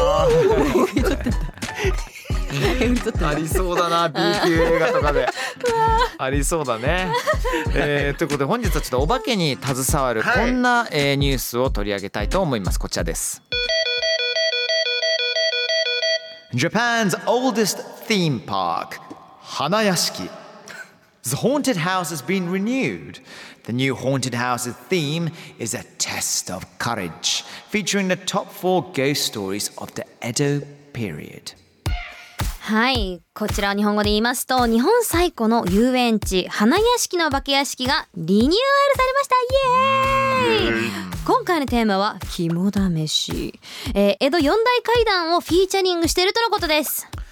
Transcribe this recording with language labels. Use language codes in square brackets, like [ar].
[ja] えぐり取ってた。えぐり取ってた。ありそうだな、 B 級映画とかで。ありそうだね。ということで本日はちょっとお化けに携わるこんな、はい、ニュースを取り上げたいと思います。こちらです。 [en] Japan's oldest theme park 花屋敷。 The haunted house has been renewed. The new haunted house's theme is a test of courage, featuring the top four ghost stories of the Edo period. [ja] はい、こちらを日本語で言いますと、日本最古の遊園地、花屋敷のお化け屋敷がリニューアルされました。イエーイ。今回のテーマは肝試し。江戸四大怪談をフィーチャリングしているとのことです。